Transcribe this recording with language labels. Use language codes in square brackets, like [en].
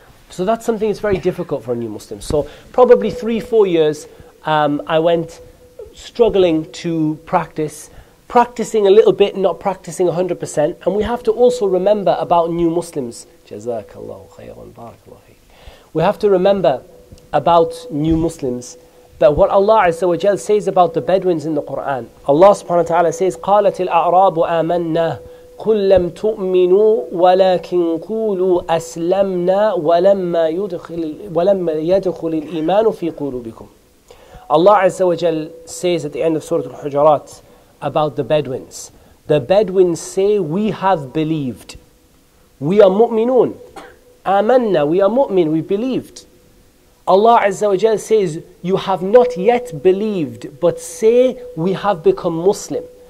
[en] So that's something that's very difficult for a new Muslim. So probably 3-4 years, I went struggling to practice, practicing a little bit, not practicing 100%. And we have to also remember about new Muslims. Jazakallahu khairan, barakallahu. We have to remember about new Muslims, but what Allah Azza wa Jal says about the Bedouins in the Quran. Allah subhanahu wa ta'ala says, [ar] قَالَتِ الْأَعْرَابُ آمَنَّا قُلْ لَمْ تُؤْمِنُوا وَلَكِنْ قُولُوا أَسْلَمْنَا وَلَمَّا يَدْخُلِ الْإِيمَانُ فِي قُلُوبِكُمْ. [en] Allah Azza wa Jal says at the end of Surah Al-Hujurat about the Bedouins. The Bedouins say, we have believed. We are mu'minun. Amanna, we are mu'min, we believed. Allah Azza wa Jal says, you have not yet believed, but say, we have become Muslim.